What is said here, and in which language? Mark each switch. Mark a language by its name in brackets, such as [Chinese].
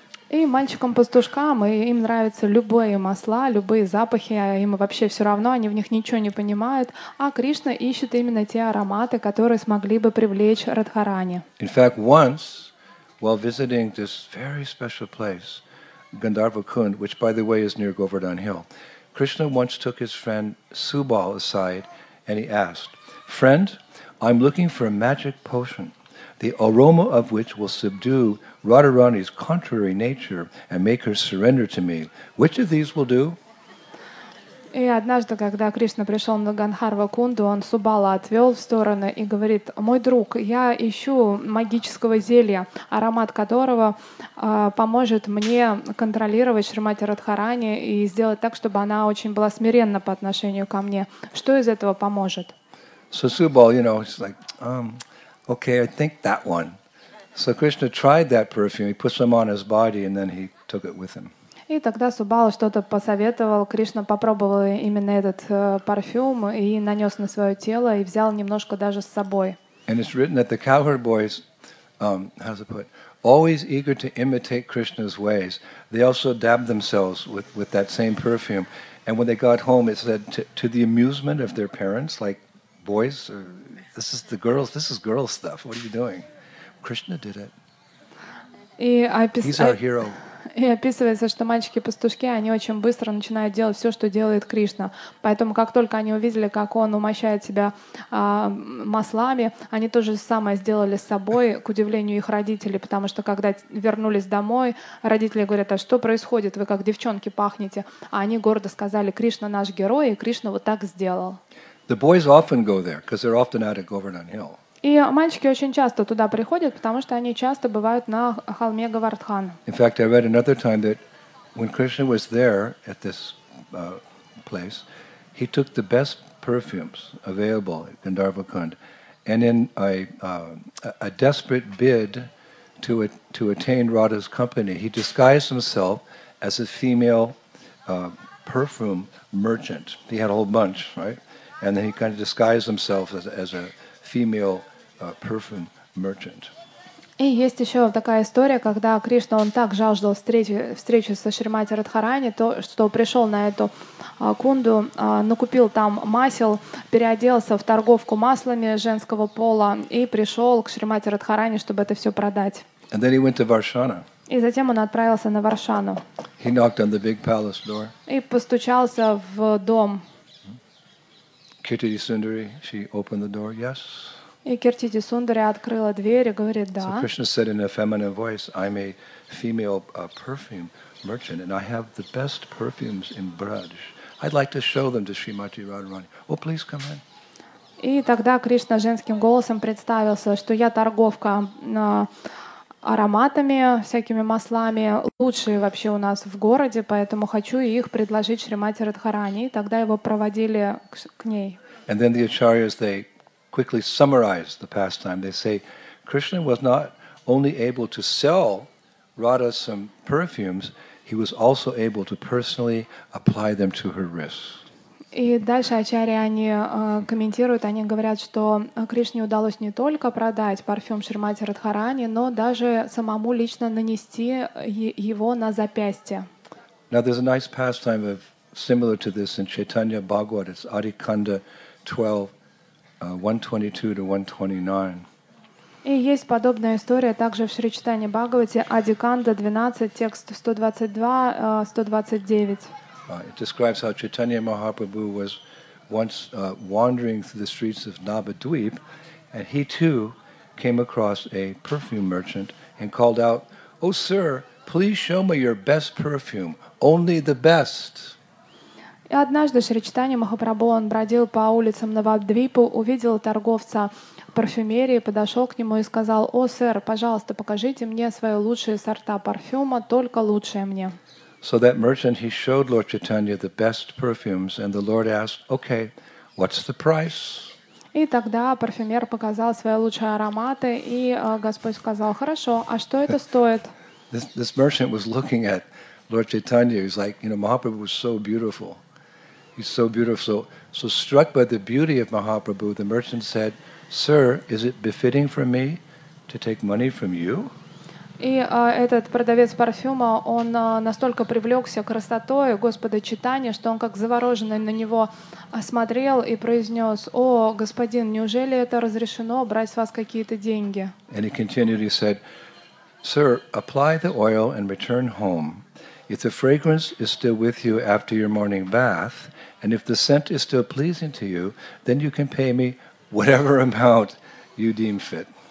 [Russian] И мальчикам-пастушкам, и им нравятся любые масла, любые запахи, им вообще все равно, они в них ничего не понимают. А Кришна ищет именно те ароматы, которые смогли бы привлечь Радхарани. [English] In fact, once, while visiting this very special place, Gandharva Kund, which, by the way, is near Govardhan Hill, Krishna once took his friend Subal aside, and he asked, "Friend, I'm looking for a magic potion, the aroma of which will subdue Radharani's contrary nature and make her surrender to me. Which of these will do?" [Russian] И однажды, когда Кришна пришел на Гандхарва Кунду, он Субала отвел в сторону и говорит: "Мой друг, я ищу магического зелья, аромат которого поможет мне контролировать Шримати Радхарани и сделать так, чтобы она очень была смиренна по отношению ко мне. Что из этого поможет?" [English] So Subal, you know, he's like, "Okay, I think that one." So Krishna tried that perfume, he put some on his body, and then he took it with him. [Russian] И тогда Субала что-то посоветовал, Кришна попробовал именно этот парфюм и нанес на свое тело, и взял немножко даже с собой. [English] And it's written that the cowherd boys, how's it put, always eager to imitate Krishna's ways, they also dabbed themselves with that same perfume. And when they got home, it said, to the amusement of their parents, like, boys, this is the girls, this is girl stuff, what are you doing? Krishna did it. He's our hero. [Russian] И описывается, что мальчики-пастушки, они очень быстро начинают делать все, что делает Кришна. Поэтому, как только они увидели, как он умощает себя маслами, они то же самое сделали с собой, к удивлению их родителей, потому что, когда вернулись домой, родители говорят: "А что происходит? Вы как девчонки пахнете." А они гордо сказали: "Кришна наш герой, и Кришна вот так сделал." [English] The boys often go there, because they're often out at Govardhan Hill. [Russian] И мальчики очень часто туда приходят, потому что они часто бывают на холме Говардхан. [English] In fact, I read another time that when Krishna was there at this place, he took the best perfumes available at Gandharva Kund, and in a desperate bid to attain Radha's company, he disguised himself as a female perfume merchant. He had a whole bunch, right? And then he kind of disguised himself as a female perfume merchant. [Russian] И есть еще такая история, когда Кришна, он так жаждал встречи со Шримати Радхарани, то, что пришел на эту кунду, накупил там масел, переоделся в торговку маслами женского пола и пришел к Шримати Радхарани, чтобы это все продать. [English] And then he went to Varshana. [Russian] И затем он отправился на Варшану. [English] He knocked on the big palace door. [Russian] И постучался в дом. [English] Kirtiti Sundari, she opened the door, yes. [Russian] И Киртити Сундари открыла дверь и говорит: "Да." [English] So Krishna said in a feminine voice, "I'm a female perfume merchant, and I have the best perfumes in Braj. I'd like to show them to Srimati Radharani. Well, please come in." [Russian] И тогда Кришна женским голосом представился, что я торговка ароматами, всякими маслами, лучшие вообще у нас в городе, поэтому хочу их предложить Шримати Радхарани. И тогда его проводили к ней. [English] And then the acharyas, they quickly summarize the pastime. They say Krishna was not only able to sell Radha some perfumes, he was also able to personally apply them to her wrists. [Russian] И дальше ачарьи они комментируют, они говорят, что Кришне удалось не только продать парфюм Шримати Радхарани, но даже самому лично нанести его на запястье. [English] Now there's a nice pastime of similar to this in Chaitanya Bhagavat. It's Adi Kanda 12, 122 to 129. [Russian] И есть подобная история также в Шри Чайтанья Бхагавате, Адди Канда 12, текст 122-129. [English] It describes how Chaitanya Mahaprabhu was once wandering through the streets of Navadvip, and he too came across a perfume merchant and called out, "Oh sir, please show me your best perfume, only the best." [Russian] И однажды Шри Чайтанья Махапрабху, он бродил по улицам Навадвипа, увидел торговца парфюмерии, подошел к нему и сказал, «О, сэр, пожалуйста, покажите мне свои лучшие сорта парфюма, только лучшие мне». [English] So that merchant, he showed Lord Chaitanya the best perfumes, and the Lord asked, «Okay, what's the price?» [Russian] И тогда парфюмер показал свои лучшие ароматы, и Господь сказал, «Хорошо, а что это стоит?» [English] This merchant was looking at Lord Chaitanya, he's like, you know, Mahaprabhu was so beautiful. He's so beautiful. So struck by the beauty of Mahaprabhu, the merchant said, "Sir, is it befitting for me to take money from you?" [Russian] И этот продавец парфюма, он настолько привлекся красотой Господа Чайтаньи, что он как завороженный на него осмотрел и произнес, "О, господин, неужели это разрешено брать с вас какие-то деньги?" [English] And he continued, he said, "Sir, apply the oil and return home. If the fragrance is still with you after your morning bath, and if the scent is still pleasing to you, then you can pay me whatever amount you deem fit."